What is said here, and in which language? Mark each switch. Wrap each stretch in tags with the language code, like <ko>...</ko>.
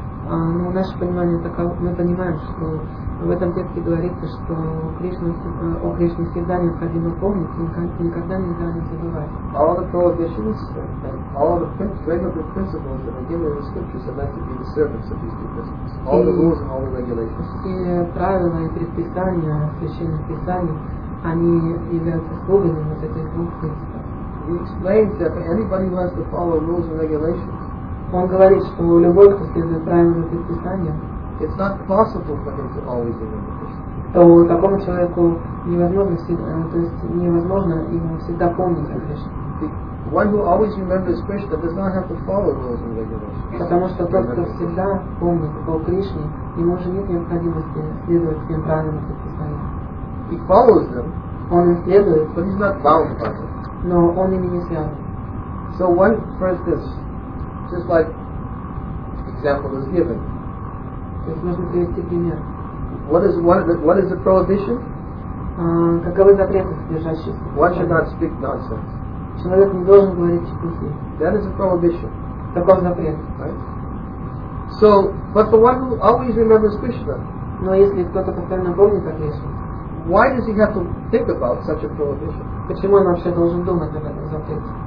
<ru>Ну, наше понимание такое, мы понимаем, что в этом тексте говорится, что о Кришне всегда необходимо помнить, никогда нельзя не забывать.</ru> <en>All the prohibitions and all the regulatory principles that are given in the scriptures are meant to be the servants of these two principles. All the rules and all the regulations.</en> <ru>Все правила и предписания священных писаний, они являются слугами вот этих двух принципов.</ru> <en>He explains that anybody who has to follow rules and regulations,</en> <ru>он говорит, что любой, кто следует правилам предписания,</ru> <en>it's not possible for him to always remember Krishna.</en> <ru>То такому человеку невозможно, то есть невозможно ему всегда помнить о Кришне.</ru> <en>One who always remembers Krishna does not have to follow rules and regulations.</en> <ru>Потому что тот, кто всегда помнит о Кришне, ему уже нет необходимости следовать всем правилам предписания.</ru> <en>He follows them,</en> <ru>он их следует,</ru> <en>but he's not bound by them.</en> <ru>Но он ими не связан.</ru> <en>So one, for instance, just like example is given. What is the prohibition?</en> <ru>Каковы запреты, содержащиеся?</ru> <en>One should not speak nonsense.</en> <ru>Человек не должен говорить чепухи.</ru> <en>That is a prohibition.</en> <ru>Таков запрет.</ru> <en>Right? So, but the one who always remembers Krishna.</en> <ru>Но если кто-то постоянно помнит о Кришне.</ru> <en>Why does he have to think about such a prohibition?</en> <ru>Почему он вообще должен думать об этом запрете?</ru>